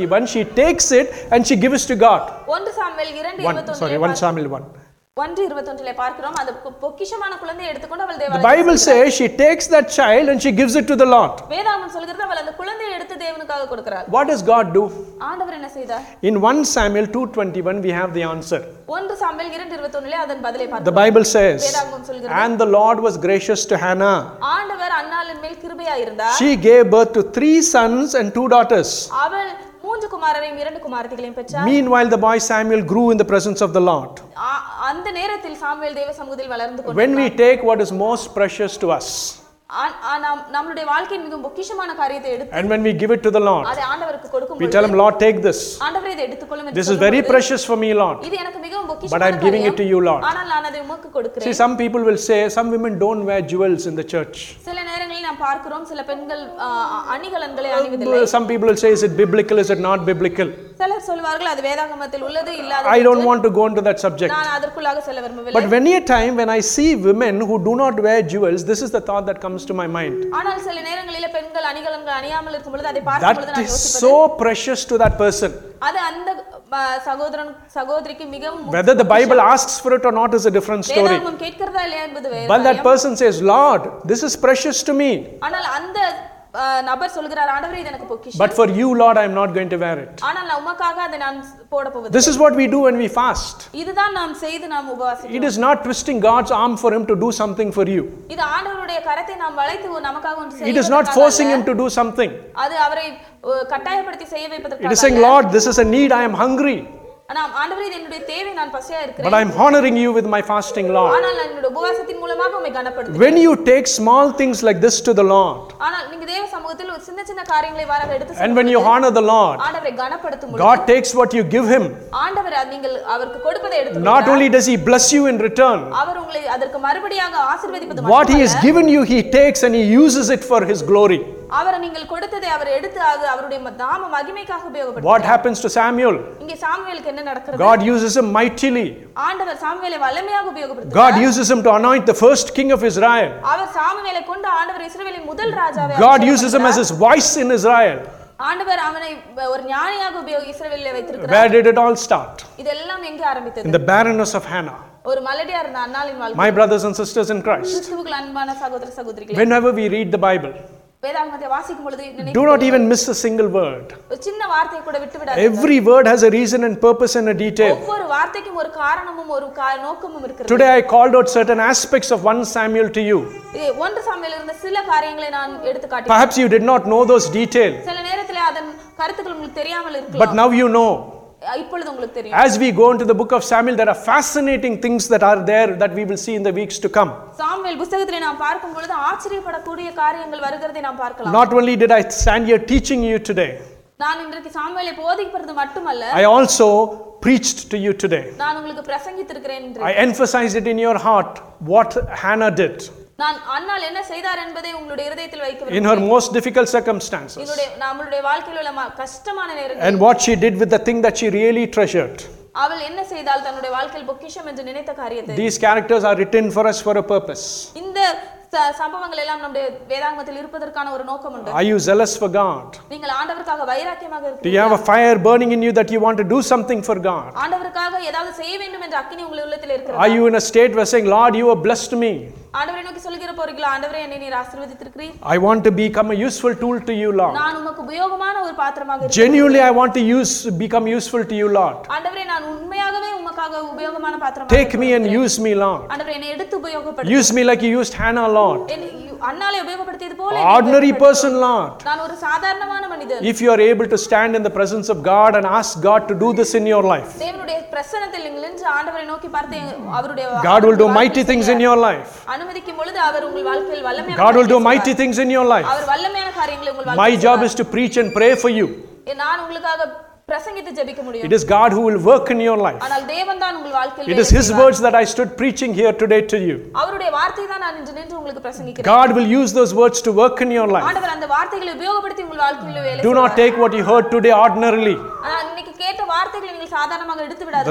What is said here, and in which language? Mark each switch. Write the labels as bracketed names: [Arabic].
[English] Now, 1 Samuel 2:21, she takes it and she gives to God. [Tamil] 1 Samuel 1:21 பார்க்கிறோம் அந்த பொக்கிஷமான குழந்தையை எடுத்துக்கொண்டு அவள் தேவனுக்கு [English] The Bible says she takes that child and she gives it to the Lord. [Tamil] வேதாகமம் சொல்கிறது அவள் அந்த குழந்தையை எடுத்து தேவனுக்காக கொடுக்கிறாள். [English] What does God do? [Tamil] ஆண்டவர் என்ன செய்தார்? [English] In 1 Samuel 2:21 we have the answer. [Tamil] 1 Samuel 2:21 லே அதன் பதிலை பார்க்கிறோம். [English] The Bible says [Tamil] வேதாகமம் சொல்கிறது [English] And the Lord was gracious to Hannah. [Tamil] ஆண்டவர் அன்னாளின் மேல் கிருபையா இருந்தார். [English] She gave birth to 3 sons and 2 daughters. [Tamil] அவள் மூன்று குமாரரையும் 2 குமாரத்திகளையும் பெற்றார். [English] Meanwhile the boy Samuel grew in the presence of the Lord. [Tamil] அந்த நேரத்தில் சாமுவேல் தேவ சமூகத்தில் வளர்ந்து கொண்டான். [English] When we take what is most precious to us. [Tamil] நம்மளுடைய வாழ்க்கையின் மிக பொக்கிஷமான காரியத்தை எடுத்து [English] And when we give it to the Lord. [Tamil] அதை ஆண்டவருக்கு கொடுக்கும்போது [English] We tell him Lord take this. [Tamil] ஆண்டவரே இதை எடுத்துக்கொள்ளும் [English] This is very precious for me Lord. [Tamil] இது எனக்கு மிகவும் பொக்கிஷமான காரியம். [English] But I'm giving it to you Lord. [Tamil] ஆனால் நான் அதை உமக்கு கொடுக்கிறேன். [English] See some people will say some women don't wear jewels in the church. [Tamil] சில நேரங்களில் நாம் பார்க்கிறோம் சில பெண்கள் அணிகலன்களை அணிவதில்லை. [English] Some people will say is it biblical is it not biblical? [Tamil] சிலர் சொல்வார்கள் அது வேதாகமத்தில் உள்ளது இல்லாதது. [English] I don't want to go into that subject. [Tamil] நான் அதற்குள்ளாக செல்ல விரும்பவில்லை. [English] But many a time when I see women who do not wear jewels this is the thought that comes to my mind. [Tamil] ஆனால் சில நேரங்களில் பெண்கள் அணிகலன்கள் அணியாமல் இருக்கும் பொழுது அதை பார்க்கும் பொழுது நான் யோசிப்பது [English] That is so precious to that person. [Tamil] அது அந்த சகோதரன் சகோதரிக்கு மிகவும் [English] Whether the Bible asks for it or not is a different story. [Tamil] வேதாகமம் கேட்கிறதா இல்லையா என்பது வேறு. [English] But that person says Lord this is precious to me. [Tamil] ஆனால் அந்த நபர் சொல்கிறார் ஆண்டவரே இது எனக்கு பொக்கிஷம். [English] But for you Lord I am not going to wear it. [Tamil] ஆனால் நான் உமக்காக அதை நான் போட போவதில்லை. [English] This is what we do when we fast. [Tamil] இதுதான் நாம் செய்து நாம் உபவாசிக்கிறோம். [English] It is not twisting God's arm for him to do something for you. [Tamil] இது ஆண்டவருடைய கரத்தை நாம் வளைத்து நமக்காக ஒன்று செய்ய. [English] It is not forcing him to do something. [Tamil] அது அவரை கட்டாயப்படுத்தி செய்ய வைப்பதற்காக. [English] It is saying Lord this is a need I am hungry. [Tamil] ஆனால் ஆண்டவரே இது என்னுடைய தேவை நான் பசியா இருக்கிறேன். [English] But I am honoring you with my fasting Lord. [Tamil] ஆனால் நான் என்னுடைய உபவாசத்தின் மூலமாக உம்மை கனப்படுத்துகிறேன். [English] When you take small things like this to the Lord. [Tamil] ஆனால் நீங்க தேவ சமூகத்தில் ஒரு சின்ன சின்ன காரியங்களை வாராக எடுத்து செய்யும்போது [English] And when you honor the Lord. [Tamil] ஆண்டவரை கனப்படுத்தும் பொழுது [English] God takes what you give him. [Tamil] ஆண்டவர் நீங்கள் அவருக்கு கொடுப்பதை எடுத்து [English] Not only does he bless you in return. [Tamil] அவர் உங்களை அதற்கு மறுபடியாக ஆசீர்வதிப்பது [English] What he has given you he takes and he uses it for his glory. [Tamil] அவர் நீங்கள் கொடுத்ததை அவர் எடுத்து அது அவருடைய நாம மகிமைக்காக உபயோகப்படுத்தும் [English] What happens to Samuel? [Tamil] இங்கே சாமுவேலுக்கு என்ன நடக்கிறது? [English] God uses him mightily. [Tamil] ஆண்டவர் சாமுவேலை வல்லமையாக உபயோகப்படுத்துகிறார். [English] God uses him to anoint the first king of Israel. [Tamil] அவர் சாமுவேலை கொண்டு ஆண்டவர் இஸ்ரவேலின் முதல் ராஜாவை [English] God uses him as his voice in Israel. [Tamil] ஆண்டவர் அவனை ஒரு ஞானியாக உபயோக இஸ்ரவேலில் வைத்திருக்கிறார். [English] Where did it all start? [Tamil] இதெல்லாம் எங்கே ஆரம்பித்தது? [English] In the barrenness of Hannah. [Tamil] ஒரு மலடியா இருந்த அன்னாளின் வாழ்க்கை. [English] My brothers and sisters in Christ. [Tamil] கிறிஸ்துவுக்குள் அன்பான சகோதர சகோதரிகளே. [English] Whenever we read the Bible. [Tamil] வேதாகமத்தை வாசிக்கும் பொழுது [English] Do not even miss a single word. [Tamil] ஒரு சின்ன வார்த்தையை கூட விட்டு விடாதே. [English] Every word has a reason and purpose and a detail. [Tamil] ஒவ்வொரு வார்த்தைக்கும் ஒரு காரணமும் ஒரு நோக்கமும் இருக்கிறது. [English] Today I called out certain aspects of 1 Samuel to you. [Tamil] 1 Samuel இருந்த சில காரியங்களை நான் எடுத்து காட்டினேன். [English] Perhaps you did not know those details. [Tamil] சில நேரத்துல அதன் கருத்துக்கள் உங்களுக்கு தெரியாமல் இருக்கலாம். [English] But now you know. [Tamil] இப்பொழுது உங்களுக்கு தெரியும். [English] As we go into the book of Samuel there are fascinating things that are there that we will see in the weeks to come. [Tamil] Samuel புத்தகத்திலே நாம் பார்க்கும் பொழுது ஆச்சரியப்படக்கூடிய காரியங்கள் வருகிறதை நாம் பார்க்கலாம். [English] Not only did I stand here teaching you today. [Tamil] நான் இன்றைக்கு சாமுவேலை போதிக்கிறது மட்டுமல்ல. [English] I also preached to you today. [Tamil] நான் உங்களுக்கு பிரசங்கித்திருக்கிறேன் என்று. [English] I emphasized it in your heart what Hannah did. [Tamil] நான் அன்னால் என்ன செய்தார் என்பதை உங்களுடைய இதயத்தில் வைக்க வேண்டும். [English] In her most difficult circumstances. [Tamil] இவளுடைய நம்மளுடைய வாழ்க்கையில உள்ள கஷ்டமான நேரங்கள். [English] And what she did with the thing that she really treasured. [Tamil] அவள் என்ன செய்தால் தன்னுடைய வாழ்க்கையில் பொக்கிஷம் என்று நினைத்த காரியத்தை. [English] These characters are written for us for a purpose. [Tamil] இந்த சம்பவங்கள் எல்லாம் நம்முடைய வேதாகமத்தில் இருப்பதற்கான ஒரு நோக்கம் உண்டு. [English] Are you zealous for God? [Tamil] நீங்கள் ஆண்டவருக்காக வைராக்கியமாக இருக்கிறீர்கள். [English] Do you have a fire burning in you that you want to do something for God? [Tamil] ஆண்டவருக்காக ஏதாவது செய்ய வேண்டும் என்ற அக்கினி உங்கள் உள்ளத்தில் இருக்கிறதா? [English] Are you in a state where saying Lord you have blessed me? [Tamil] ஆண்டவரே நோக்கி சொல்கிற போறீங்களா, ஆண்டவரே என்னை நீர் ஆசீர்வதித்திருக்கிறீர்? [English] I want to become a useful tool to you Lord. [Tamil] நான் உமக்கு உபயோகமான ஒரு பாத்திரமாக இருக்கிறேன். [English] Genuinely I want to become useful to you Lord. [Tamil] ஆண்டவரே நான் உண்மையாகவே உமக்காக உபயோகமான பாத்திரமாக. [English] Take me and use me Lord. [Tamil] ஆண்டவரே என்னை எடுத்து உபயோகப்படுத்து. [English] Use me like you used Hannah Lord. [Tamil] அன்னாலே உபயோகப்படுத்தியது போல. [English] Ordinary person Lord. [Tamil] நான் ஒரு சாதாரணமான மனிதன். [English] If you are able to stand in the presence of God and ask God to do this in your life. [Tamil] தேவனுடைய பிரசன்னத்தில் நீங்கள் நின்று ஆண்டவரை நோக்கி பார்த்து அவருடைய [English] God will do mighty things in your life. [Tamil] அனுமதிக்கும் பொழுது அவர் உங்கள் வாழ்க்கையில் வல்லமையான [English] God will do mighty things in your life. [Tamil] அவர் வல்லமையான காரியங்களை உங்கள் வாழ்க்கையில் [English] My job is to preach and pray for you. [Tamil] நான் உங்களுக்காக பிரசங்கித்து ஜெபிக்க முடியும். [English] It is God who will work in your life. [Tamil] ஆனால் தேவன் தான் உங்கள் வாழ்க்கையில் [English] It is his words that I stood preaching here today to you. [Tamil] அவருடைய வார்த்தை தான் நான் இன்று நின்று உங்களுக்கு பிரசங்கிக்கிறேன். [English] God will use those words to work in your life. [Tamil] ஆண்டவர் அந்த வார்த்தைகளை உபயோகப்படுத்தி உங்கள் வாழ்க்கையில் வேலை செய்வார். [English] Do not take what you heard today ordinarily. [Tamil] இன்னைக்கு கேட்ட வார்த்தைகளை நீங்கள் சாதாரணமாக எடுத்து விடாதீர்கள்.